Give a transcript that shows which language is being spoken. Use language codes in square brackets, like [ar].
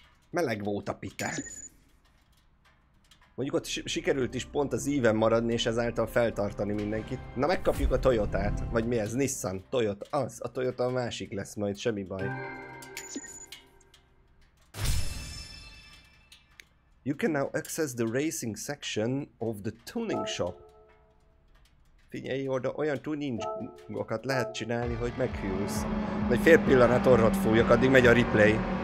[hu] Meleg volt a pite. Mondjuk ott sikerült is pont az íven maradni, és ezáltal feltartani mindenkit. Na, megkapjuk a Toyotát. Vagy mi ez? Nissan. Toyota. Az. A Toyota a másik lesz majd. Semmi baj. [en] You can now access the racing section of the tuning shop. [hu] Figyelj, oda olyan tuningokat lehet csinálni, hogy meghűlsz. Egy fél pillanat orrot fújok, addig megy a replay.